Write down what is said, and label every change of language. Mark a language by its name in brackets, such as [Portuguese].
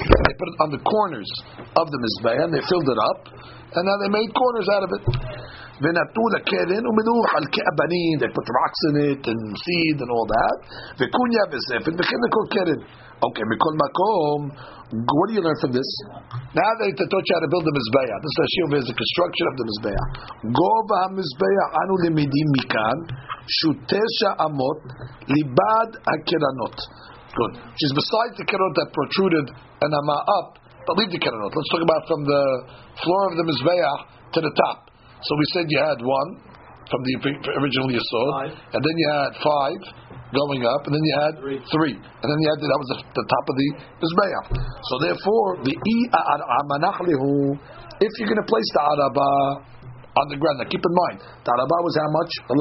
[English] They put it on the corners of the מזבח and they filled it up. And now they made corners out of it. [Hebrew] ונתנו לקרן ומנו חלקי אבנים, [English] they put rocks in it and seed and all that, [Hebrew] וקוניה וזפת, וכן לכל קרן. [English] Okay, [Hebrew] מכל מקום, [English] what do you learn from this? Now they taught you how to build the מזבח. This is the construction of the מזבח. [Hebrew] גובה המזבח אנו למדים מכאן, שהוא 9 אמות לבד הקרנות. [English] Good. Which is beside the קרנות that protruded an amah up, but leave the קרנות. Let's talk about from the floor of the מזבח to the top. So we said you had 1 from the original Yisod, five. And then you had 5 going up, and then you had 3, and then you had that was the top of the Mizbeah. So therefore, the Amanachlihu, if you're going to place the Araba on the ground, now keep in mind, the Araba was how much?